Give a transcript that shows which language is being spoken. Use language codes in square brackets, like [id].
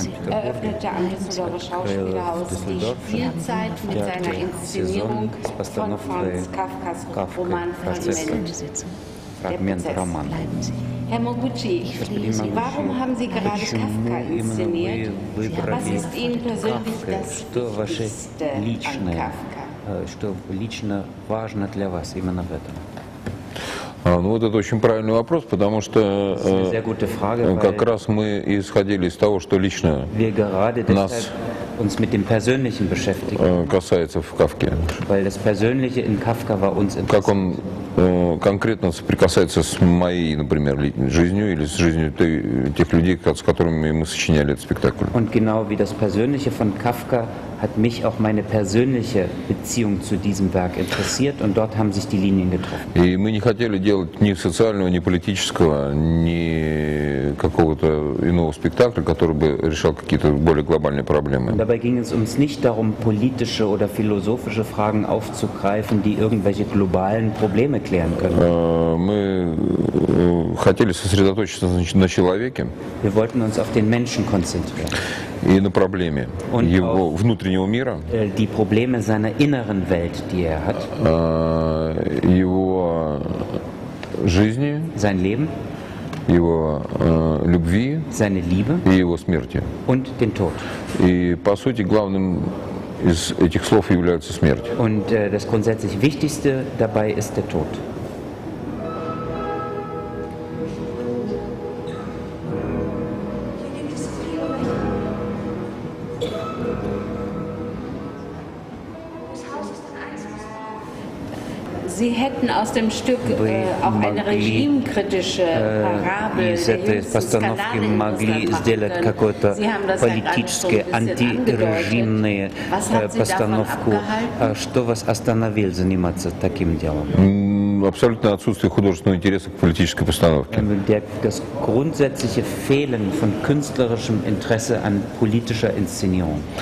[de] Eröffnete am Düsseldorfer Schauspielhaus die Spielzeit mit seiner Inszenierung von Franz Kafkas Roman Fragment. Fragment Roman. Herr Moguchi, warum haben Sie gerade Kafka inszeniert? Was ist Ihnen persönlich das Wichtigste an Kafka? [ru] Что лично важно для вас именно в этом? Это очень правильный вопрос, потому что как раз мы исходили из того, что лично нас [de] uns mit dem Persönlichen beschäftigen. Weil das Persönliche in Kafka war uns interessant. [ru] Как он конкретно соприкасается с моей, например, жизнью или с жизнью тех людей, с которыми мы сочиняли этот спектакль. [de] Und genau wie das Persönliche von Kafka hat mich auch meine persönliche Beziehung zu diesem Werk interessiert und dort haben sich die Linien getroffen. [ru] И мы не хотели делать ни социального, ни политического, ни какого-то иного спектакля, который бы решал какие-то более глобальные проблемы. [de] Und dabei ging es uns nicht darum, politische oder philosophische Fragen aufzugreifen, die irgendwelche globalen Probleme klären können. [ru] Хотели сосредоточиться на человеке. [de] Wir wollten uns auf den Menschen konzentrieren. [ru] И на проблеме [de] Und [ru] его внутреннего мира. [de] Die Probleme seiner inneren Welt, die er hat. [ru] Его жизни. [de] Sein Leben. [ru] Его любви, [de] seine Liebe [ru] и его смерти. [de] Und den Tod. [ru] И по сути главным из этих слов является смерть. [de] Und das grundsätzlich wichtigste dabei ist der Tod. Sie hätten aus dem Stück auch eine regimekritische Parabel [ru] сделать какое-то политическое антирежимное постановку. Что вас остановило заниматься таким делом? Абсолютное отсутствие художественного интереса к политической постановке. [de] Das grundsätzliche Fehlen von künstlerischem Interesse an politischer Inszenierung.